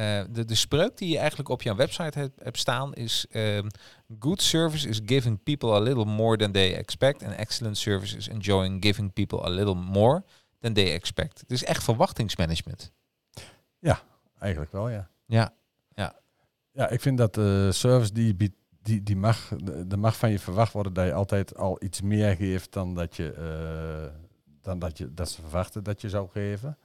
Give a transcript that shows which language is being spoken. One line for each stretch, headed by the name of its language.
Dutch: De spreuk die je eigenlijk op jouw website hebt staan is...
English: Good service is giving people a little more than they expect. And excellent service is enjoying giving people a little more than they expect.
Dutch: Het is echt verwachtingsmanagement. Ja, eigenlijk wel, ja. Ja, ja. Ja, ik vind dat service die biedt, die mag, de mag van je verwacht worden dat je altijd al iets meer geeft dan dat je, dat ze verwachten dat je zou geven.